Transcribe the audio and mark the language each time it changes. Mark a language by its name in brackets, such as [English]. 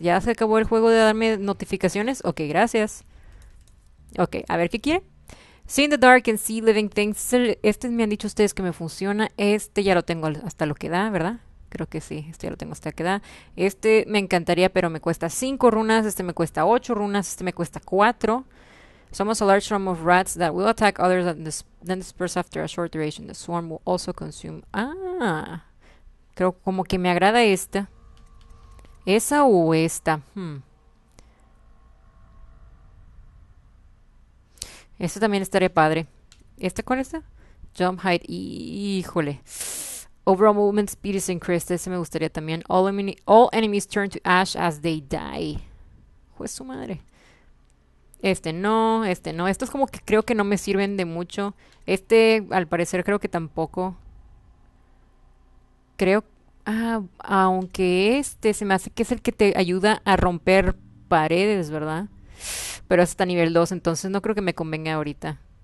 [Spanish] ¿Ya se acabó el juego de darme notificaciones? Ok, gracias. Ok, a ver, ¿qué quiere? [English] See in the dark and see living things. [Spanish] Este me han dicho ustedes que me funciona. Este ya lo tengo hasta lo que da, ¿verdad? Creo que sí, este ya lo tengo hasta que da. Este me encantaría, pero me cuesta 5 runas. Este me cuesta 8 runas. Este me cuesta 4. [English] Somos a large swarm of rats that will attack others and then disperse after a short duration. The swarm will also consume. [Spanish] Ah, creo como que me agrada esta. Esa o esta. Esta también estaría padre. ¿Esta cuál es esta? [English] Jump height. [Spanish] Híjole. [English] Overall movement speed is increased. [Spanish] Ese me gustaría también. [English] All enemies turn to ash as they die. [Spanish] Juez su madre. Este no, este no. Estos como que creo que no me sirven de mucho. Este, al parecer, creo que tampoco. Creo. Ah, aunque este se me hace que es el que te ayuda a romper paredes, ¿verdad? Pero está a nivel 2, entonces no creo que me convenga ahorita.